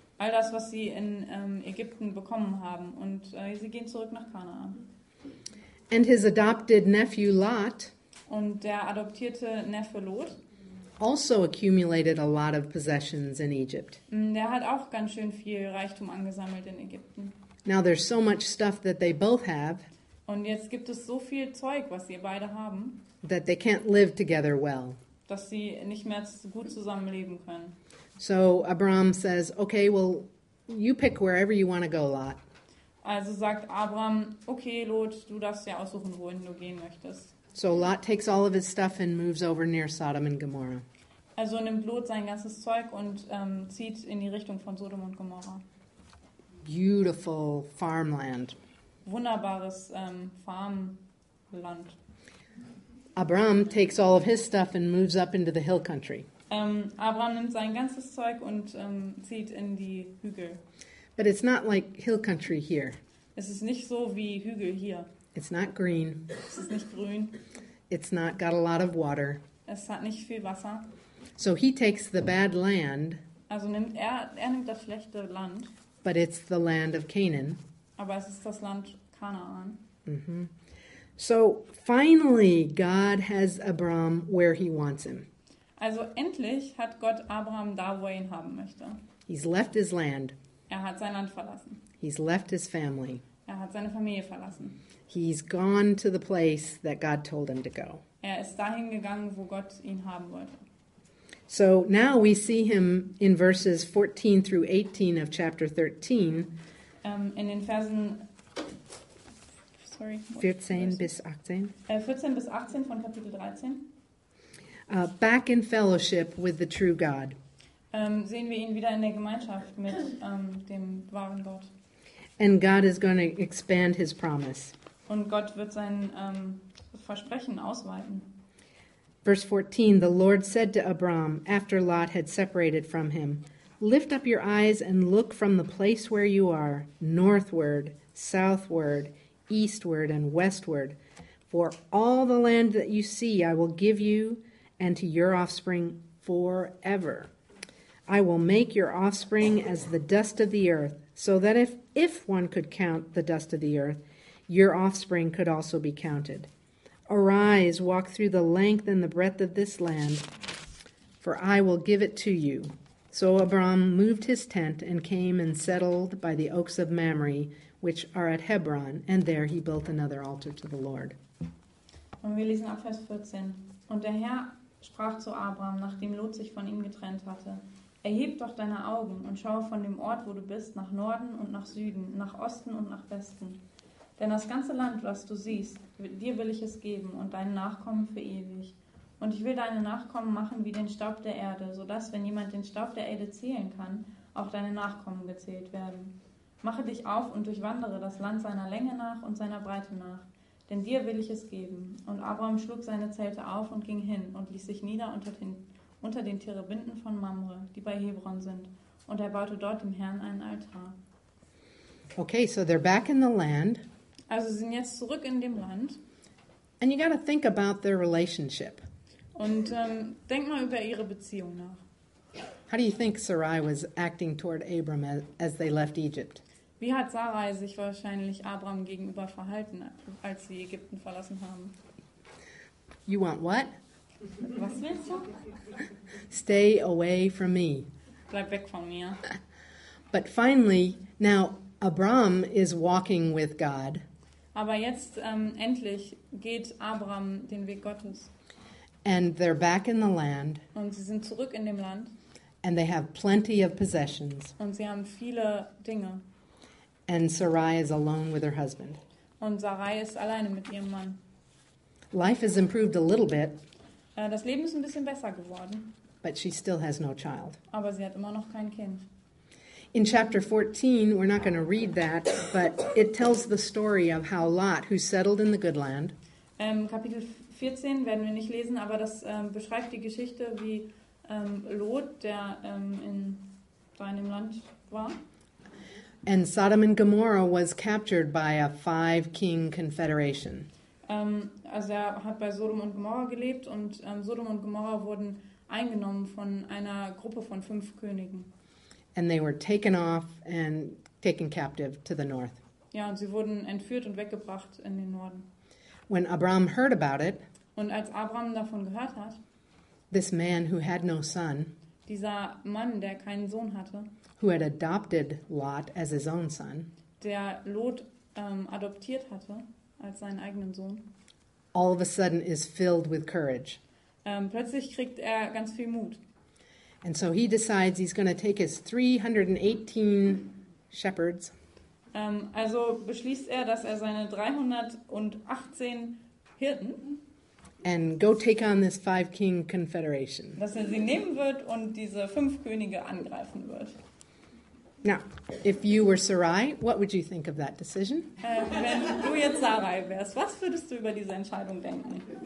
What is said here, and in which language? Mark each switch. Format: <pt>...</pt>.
<de>All das, was sie in Ägypten bekommen haben. Und sie gehen zurück nach Kanaan.</de> <en>And his adopted nephew Lot,</en> <de>und der adoptierte Neffe Lot,</de> <en>also accumulated a lot of possessions in Egypt.</en> <de>Der hat auch ganz schön viel Reichtum angesammelt in Ägypten.</de> <en>Now there's so much stuff that they both have,</en> <de>und jetzt gibt es so viel Zeug, was sie beide haben,</de> <en>that they can't live together well.</en> <de>Dass sie nicht mehr gut zusammenleben können.</de> <en>So Abram says, "Okay, well, you pick wherever you want to go, Lot."</en> <de>Also sagt Abram, okay, Lot, du darfst ja aussuchen, wohin du gehen möchtest.</de> <en>So Lot takes all of his stuff and moves over near Sodom and Gomorrah.</en> <de>Also nimmt Lot sein ganzes Zeug und zieht in die Richtung von Sodom und Gomorrah.</de> <en>Beautiful farmland.</en> <de>Wunderbares Farmland.</de> <en>Abram takes all of his stuff and moves up into the hill country.</en> <de>Abraham nimmt sein ganzes Zeug und zieht in die Hügel.</de> <en>But it's not like hill country here.</en> <de>Es ist nicht so wie Hügel hier.</de> <en>It's not green.</en> <de>Es ist nicht grün.</de> <en>It's not got a lot of water.</en> <de>Es hat nicht viel Wasser.</de> <en>So he takes the bad land.</en> <de>Also nimmt er nimmt das schlechte Land.</de> <en>But it's the land of Canaan.</en> <de>Aber es ist das Land Kanaan. Mm-hmm.</de> <en>So finally God has Abram where he wants him.</en> <de>Also endlich hat Gott Abraham da, wo er ihn haben möchte.</de> <en>He's left his land.</en> <de>Er hat sein Land verlassen.</de> <en>He's left his family.</en> <de>Er hat seine Familie verlassen.</de> <en>He's gone to the place that God told him to go.</en> <de>Er ist dahin gegangen, wo Gott ihn haben wollte.</de> <en>So now we see him in verses 14 through 18 of chapter 13.</en> <de>In den Versen 14 bis 18 von Kapitel 13.</de> <en>Back in fellowship with the true God.</en> <de>Sehen wir ihn wieder in der Gemeinschaft mit dem wahren Gott.</de> <en>And God is going to expand his promise.</en> <de>Und Gott wird sein Versprechen ausweiten.</de> <en>Verse 14, the Lord said to Abram, after Lot had separated from him, lift up your eyes and look from the place where you are, northward, southward, eastward, and westward. For all the land that you see, I will give you and to your offspring forever. I will make your offspring as the dust of the earth, so that if one could count the dust of the earth, your offspring could also be counted. Arise, walk through the length and the breadth of this land, for I will give it to you. So Abram moved his tent and came and settled by the oaks of Mamre, which are at Hebron, and there he built another altar to the Lord.</en> <de>Und wir lesen ab Vers 14. Und der Herr sprach zu Abram, nachdem Lot sich von ihm getrennt hatte, erheb doch deine Augen und schaue von dem Ort, wo du bist, nach Norden und nach Süden, nach Osten und nach Westen. Denn das ganze Land, was du siehst, dir will ich es geben und deinen Nachkommen für ewig. Und ich will deine Nachkommen machen wie den Staub der Erde, sodass, wenn jemand den Staub der Erde zählen kann, auch deine Nachkommen gezählt werden. Mache dich auf und durchwandere das Land seiner Länge nach und seiner Breite nach, denn dir will ich es geben. Und Abram schlug seine Zelte auf und ging hin und ließ sich nieder unter den Terebinden von Mamre, die bei Hebron sind. Und er baute dort dem Herrn einen Altar.</de> <en>Okay, so they're back in the land.</en> <de>Also sind jetzt zurück in dem Land.</de> <en>And you gotta think about their relationship.</en> <de>Und denk mal über ihre Beziehung nach.</de> <en>How do you think Sarai was acting toward Abram as they left Egypt?</en> <de>Wie hat Sarai sich wahrscheinlich Abram gegenüber verhalten, als sie Ägypten verlassen haben?</de> <en>You want what?</en> <de>Was willst du?</de> <en>Stay away from me.</en> <de>Bleib weg von mir.</de> <en>But finally, now Abram is walking with God.</en> <de>Aber jetzt endlich geht Abram den Weg Gottes.</de> <en>And they're back in the land.</en> <de>Und sie sind zurück in dem Land.</de> <en>And they have plenty of possessions.</en> <de>Und sie haben viele Dinge.</de> <en>And Sarai is alone with her husband.</en> <de>Und Sarai ist alleine mit ihrem Mann.</de> <en>Life has improved a little bit.</en> <de>Das Leben ist ein bisschen besser geworden.</de> <en>But she still has no child.</en> <de>Aber sie hat immer noch kein Kind.</de> <en>In chapter 14, we're not going to read that, but it tells the story of how Lot, who settled in the good land.</en> <de>Kapitel 14 werden wir nicht lesen, aber das beschreibt die Geschichte, wie Lot, der in seinem Land war.</de> <en>And Sodom and Gomorrah was captured by a five-king confederation.</en> <de>Also er hat bei Sodom und Gomorrah gelebt und Sodom und Gomorrah wurden eingenommen von einer Gruppe von fünf Königen.</de> <en>And they were taken off and taken captive to the north.</en> <de>Ja, und sie wurden entführt und weggebracht in den Norden.</de> <en>When Abram heard about it,</en> <de>und als Abram davon gehört hat,</de> <en>this man who had no son,</en> <de>dieser Mann, der keinen Sohn hatte,</de> <en>who had adopted Lot as his own son,</en> <de>der Lot adoptiert hatte als seinen eigenen Sohn,</de> <en>all of a sudden is filled with courage.</en> <de>Plötzlich kriegt er ganz viel Mut.</de> <en>And so he decides he's going to take his 318 shepherds.</en> <de>Also beschließt er, dass er seine 318 Hirten</de> <en>and go take on this five king confederation.</en> <de>Dass er sie nehmen wird und diese fünf Könige angreifen wird.</de> <en>Now, if you were Sarai, what would you think of that decision?</en> <de>Wenn du jetzt Sarai wärst, was würdest du über diese Entscheidung denken?</de>